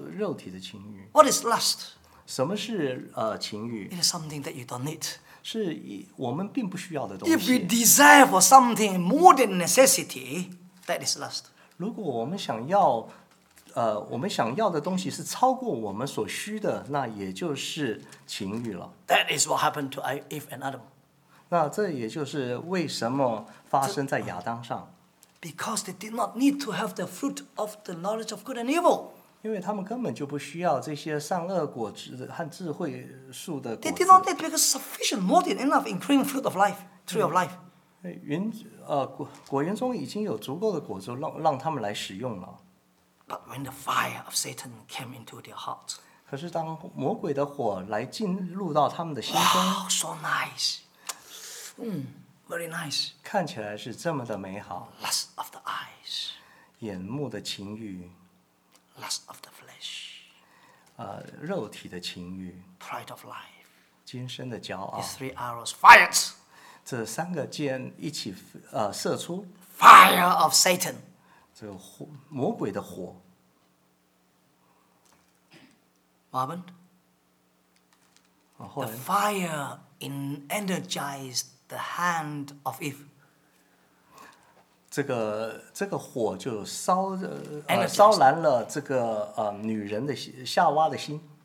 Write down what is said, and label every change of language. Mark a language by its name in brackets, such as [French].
[Chinese] 肉体的情欲。 [English] What is lust? [Chinese] 什么是情欲？ [English] It is something that you don't need. [Chinese] 是我们并不需要的东西。 [English] If we desire for something more than necessity, that is lust. [Chinese] 如果我们想要我们想要的东西是超过我们所需的，那也就是情欲了。 [English] That is what happened to Eve and Adam. [Chinese] 那这也就是为什么发生在亚当上。 [English] Because they did not need to have the fruit of the knowledge of good and evil. [Chinese] 因为他们根本就不需要这些善恶果子和智慧树的果子。 [English] They did not need because sufficient more than enough in creating fruit of life, tree of life. [Chinese] 果园中已经有足够的果子 让他们来使用了。 [English] But when the fire of Satan came into their hearts, [Chinese] 可是当魔鬼的火来进入到他们的心中， [English] wow, so nice, very nice. [Chinese] 看起来是这么的美好。 [English] Lust of the eyes, [Chinese] 眼目的情欲。 [English] Lust of the flesh, [Chinese] 肉体的情欲。 [English] Pride of life, [Chinese] 今生的骄傲。 [English] These three arrows fired. [Chinese] 这三个箭一起射出。 [English] Fire of Satan. [Chinese] 这个火，魔鬼的火。 [English] Marvin, the fire energized the hand of Eve. [Chinese] 这个火就烧燃了这个女人的夏娃的心。